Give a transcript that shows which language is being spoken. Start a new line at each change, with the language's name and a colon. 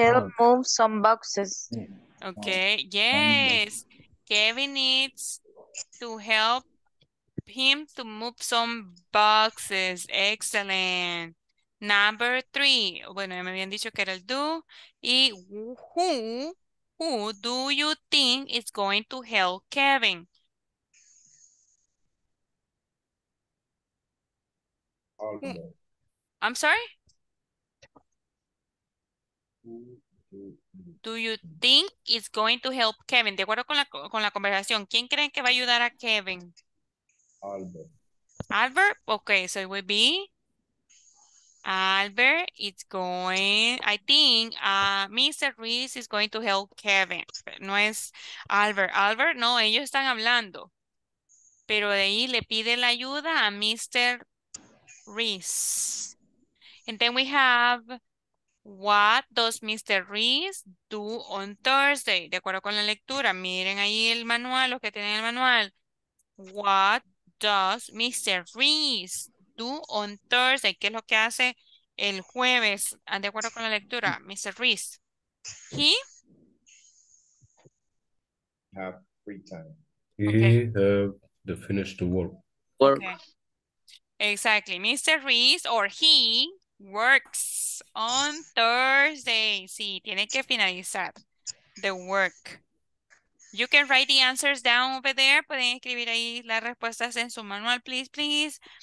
English: help move some boxes. Okay, yes. Kevin needs to help him to move some boxes. Excellent. Number three.
Spanish: Bueno, ya me habían dicho que era el do.
English: Y who? Who do you think is going to help Kevin? Albert. I'm sorry? Who Do you think it's going to help Kevin?
Spanish: De acuerdo con la conversación, ¿quién creen que va a ayudar a Kevin?
English: Albert. Albert, okay, so it would be Albert, it's going, I think, Mr. Reese is going to help Kevin.
Spanish: No es Albert. Albert, no, ellos están hablando. Pero de ahí le pide la ayuda a Mr. Reese.
English: And then we have, what does Mr. Reese do on Thursday?
Spanish: De acuerdo con la lectura, miren ahí el manual, los que tienen el manual.
English: What does Mr. Reese do on Thursday?
Spanish: ¿Qué es lo que hace el jueves? De acuerdo con la lectura, Mr. Reese. He?
English: Have free time. He have finished the work. Work. Okay. Exactly. Mr. Reese or he works on Thursday.
Spanish: Sí, tiene que finalizar the work.
English: You can write the answers down over there.
Spanish: Pueden escribir ahí las respuestas en su manual, please, please.